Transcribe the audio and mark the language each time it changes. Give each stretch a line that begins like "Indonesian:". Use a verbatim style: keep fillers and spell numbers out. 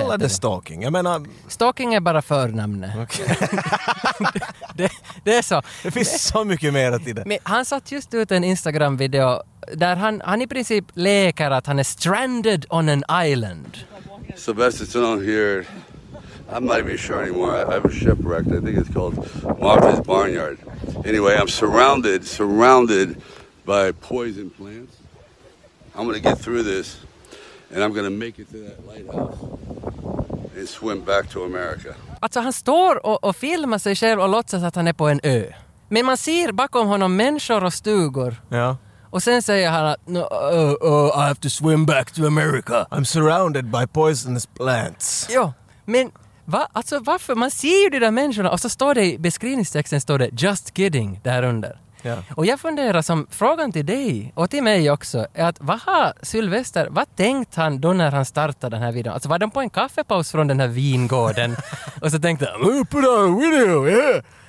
Swedish: heter det stalking. Jag menar, Stalking är bara förnamnet. det, det är så. det finns så mycket mer till det. Men han satt just ut en Instagram-video där han, han i princip lekar att han är
English: stranded on an island. Sylvester Stallone here. I'm not even sure anymore. I, I was shipwrecked. I think it's called Martha's Barnyard. Anyway, I'm surrounded, surrounded by poison plants. I'm going to get through this, and I'm going to make it to that lighthouse and swim back to America.
Swedish: Alltså han står och, och filmar sig själv och låtsas att han är på en ö. Men man ser bakom honom människor och stugor. Ja. Och sen säger han att
English: no, oh, oh, I have to swim back to America. I'm surrounded by poisonous plants.
Swedish: Ja, men va? Alltså varför? Man ser ju de där människorna och så står det i beskrivningstexten står det
English: just kidding
Swedish: där under. Ja. Och jag funderar som frågan till dig och till mig också är att vad har Sylvester, vad tänkt han då när han startade den här videon? Alltså var de på en kaffepaus från den här vingården och så tänkte han,
English: "Oh, put on a video, yeah."